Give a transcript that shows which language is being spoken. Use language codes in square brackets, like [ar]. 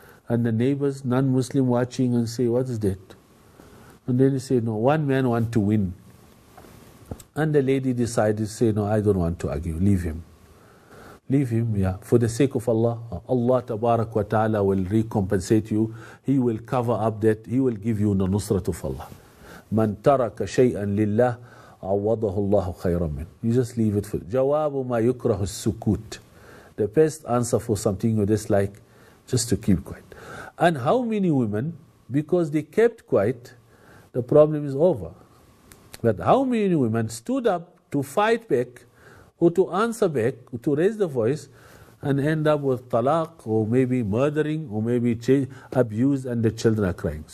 [en] And the neighbors, non-Muslim, watching and say, what is that? And then he say, no, one man want to win. And the lady decided to say, no, I don't want to argue, leave him. Leave him, yeah, for the sake of Allah. Allah tabarak wa ta'ala will recompensate you. He will cover up that. He will give you the nusrat of Allah. [ar] من ترك شيئا لله عوضه الله خيرا منه. [en] You just leave it for [ar] جواب ما يكره السكوت. [en] The best answer for something you dislike, just to keep quiet. And how many women, because they kept quiet, the problem is over. But how many women stood up to fight back, or to answer back, or to raise the voice, and end up with talaq, or maybe murdering, or maybe abuse, and the children are crying.